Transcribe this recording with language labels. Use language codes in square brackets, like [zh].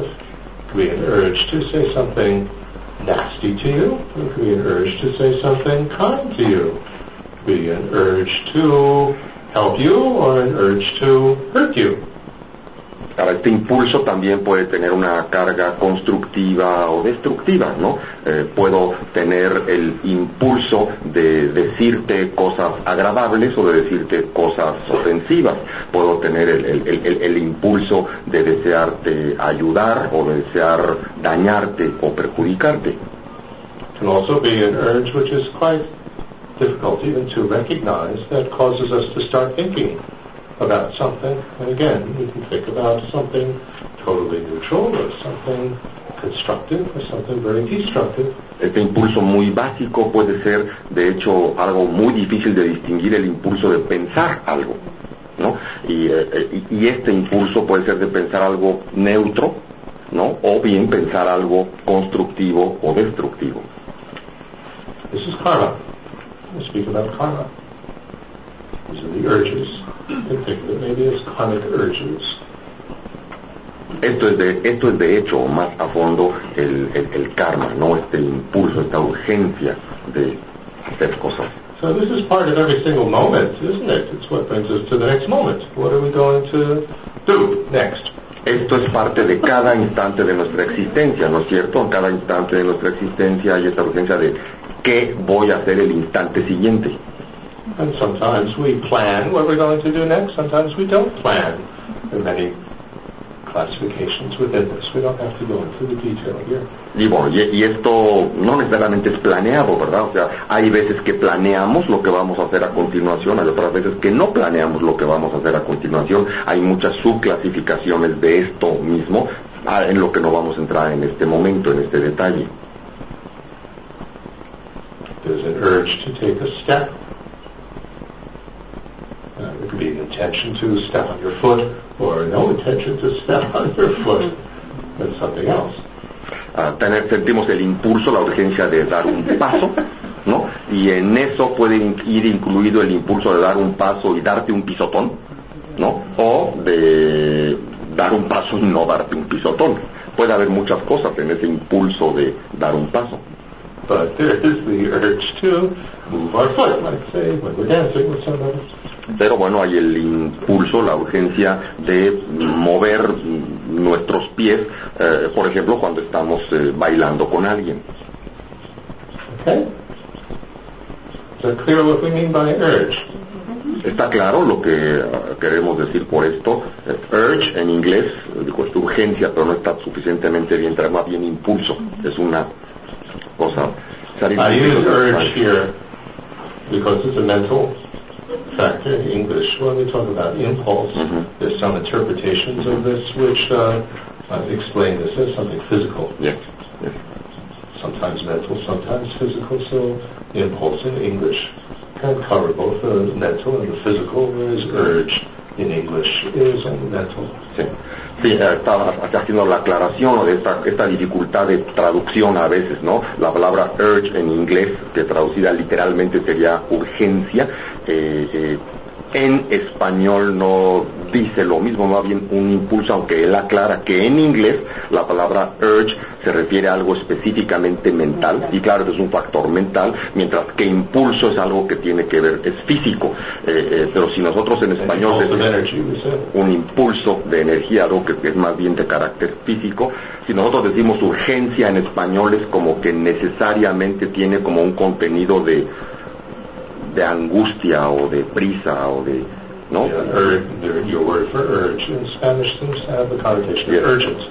[en] It could be an urge to say something nasty to you. It could be an urge to say something kind to you. It could be an urge to help you or an urge to hurt you. [es] Ahora, este impulso también puede tener una carga constructiva o destructiva, ¿no? Puedo tener el impulso de decirte cosas agradables o de decirte cosas ofensivas. Puedo tener el impulso de desearte ayudar o de desear dañarte o perjudicarte. [en] It can also be an urge which is quite difficult even to recognize that causes us to start thinking about something. And again, we can think about something totally neutral or something constructive or something very destructive. [es] Este impulso muy básico puede ser, de hecho, algo muy difícil de distinguir, el impulso de pensar algo, ¿no? Y este impulso puede ser de pensar algo neutro, ¿no? O bien pensar algo constructivo o destructivo. [en] This is karma. We speak about karma. These are the urges. And think of it maybe as karmic urges. [es] Esto es de hecho más a fondo el karma, ¿no? Este impulso, esta urgencia de hacer cosas. [en] So this is part of every single moment, isn't it? It's what brings us to the next moment. What are we going to do next? [es] Esto es parte de cada instante de nuestra existencia, ¿no es cierto? En cada instante de nuestra existencia hay esta urgencia de qué voy a hacer el instante siguiente. [en] And sometimes we plan what we're going to do next, sometimes we don't plan. Classifications within this. We don't have to go into the detail here. [es] Y bueno, y esto no necesariamente es planeado, ¿verdad? O sea, hay veces que planeamos lo que vamos a hacer a continuación, hay otras veces que no planeamos lo que vamos a hacer a continuación. Hay muchas subclasificaciones de esto mismo, en lo que no vamos a entrar en este momento, en este detalle. [en] There's an urge to take a step. It could be an intention to step on your foot, or no intention to step on your foot, but something else. [es] Sentimos el impulso, la urgencia de dar un paso, ¿no? Y en eso puede ir incluido el impulso de dar un paso y darte un pisotón, ¿no? O de dar un paso y no darte un pisotón. Puede haber muchas cosas en ese impulso de dar un paso. [en] But there is the urge to move our foot, like say when we're dancing with somebody. [es] Pero bueno, hay el impulso, la urgencia de mover nuestros pies, por ejemplo, cuando estamos bailando con alguien. [en] Okay. So clear what we mean by urge. [es] Está claro lo que queremos decir por esto. Urge en inglés, digo, es urgencia, pero no está suficientemente bien, trae más bien impulso. Es una cosa. [en] I use urge here because it's a mental factor. In English, when we talk about impulse, mm-hmm. there's some interpretations mm-hmm. of this which explain this as something physical. Yeah. Sometimes mental, sometimes physical, so impulse in English can cover both the mental and the physical, whereas urge in English is only mental. Yeah. [es] Sí, estaba haciendo la aclaración de esta dificultad de traducción a veces, ¿no? La palabra urge en inglés, que traducida literalmente sería urgencia, en español no dice lo mismo, más bien un impulso, aunque él aclara que en inglés la palabra urge se refiere a algo específicamente mental, y claro que es un factor mental, mientras que impulso es algo que tiene que ver, es físico, pero si nosotros en español decimos un impulso de energía, algo que es más bien de carácter físico, si nosotros decimos urgencia en español es como que necesariamente tiene como un contenido de angustia o de prisa o de... ¿No? [en] Your word for urge in Spanish seems to have the connotation of urgent.